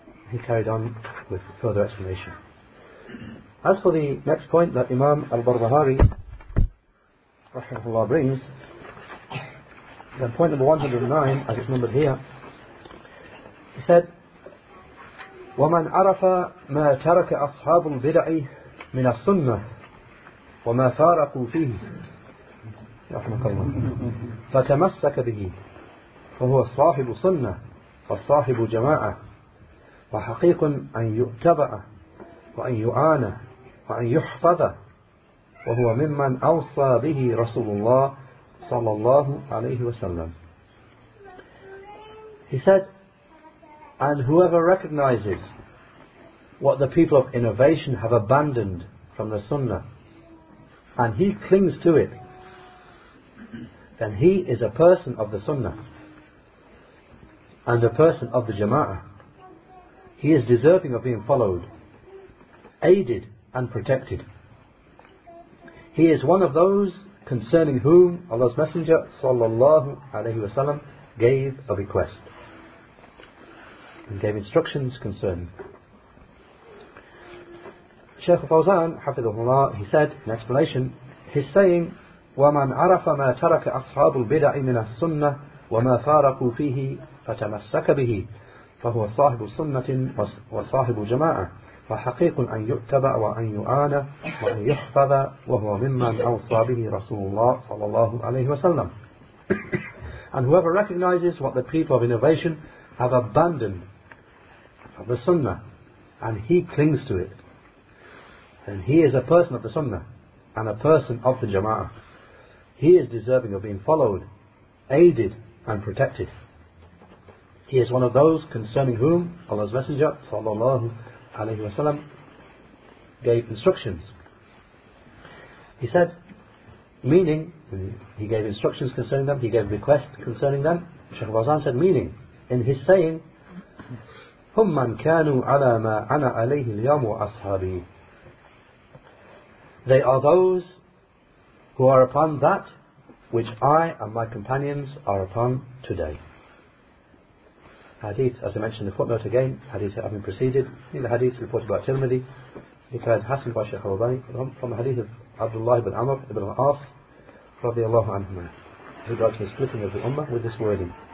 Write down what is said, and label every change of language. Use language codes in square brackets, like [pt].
[en] He carried on with further explanation. As for the next point that Imam al-Barbahari rahimahullah brings, then point number 109, as it's numbered here, he said, [ar] ومن عرف ما ترك أصحاب البدع من السنة وما فارقوا فيه رحمك الله فتمسك به فهو صاحب سنة وصاحب جماعة وحقيق أن يتبع وأن يعان وأن يحفظ وهو ممن أوصى به رسول الله صلى الله عليه وسلم. [en] He said, and whoever recognizes what the people of innovation have abandoned from the Sunnah, and he clings to it, then he is a person of the Sunnah and a person of the Jama'ah. He is deserving of being followed, aided and protected. He is one of those concerning whom Allah's Messenger sallallahu alayhi wasallam gave a request and gave instructions concerning. Shaykh Fawzan, hafidhahullah, he said in explanation, he's saying, [ar] وَمَنْ عَرَفَ مَا تَرَكَ أَصْحَابُ الْبِدَعِ مِنَ السُّنَّةِ وَمَا فَارَقُوا فِيهِ فَتَمَسَّكَ بِهِ فَهُوَ صَاحِبُ سُنَّةٍ وَصَاحِبُ جَمَاعَةٍ فَحَقِيقٌ أَنْ يُؤْتَبَعَ وَأَنْ يُعَانَ وَأَنْ يُحْفَظَ وَهُوَ مِمَّنْ أَوْصَى بِهِ رَسُولُ اللَّهِ صَلَى اللَّهُ عَلَيْهِ وَسَلَّمُ. [en] And whoever recognizes what the people of innovation have abandoned from the Sunnah, and he clings to it, then he is a person of the Sunnah and a person of the Jama'ah. He is deserving of being followed, aided and protected. He is one of those concerning whom Allah's Messenger sallallahu alayhi wasallam gave instructions. He said, meaning, he gave instructions concerning them, he gave requests concerning them. Shaykh Fawzan said, meaning, in his saying, [ar] هم من كانوا على ما أنا عليه اليوم وأصحابي. [en] They are those who are upon that which I and my companions are upon today. Hadith, as I mentioned in the footnote again, hadith having preceded, in the hadith reported by Tirmidhi, declared Hassan by Shaykh al-Albani, from the hadith of Abdullah ibn Amr ibn al-As, radiallahu anhuma, who got to the splitting of the Ummah with this wording.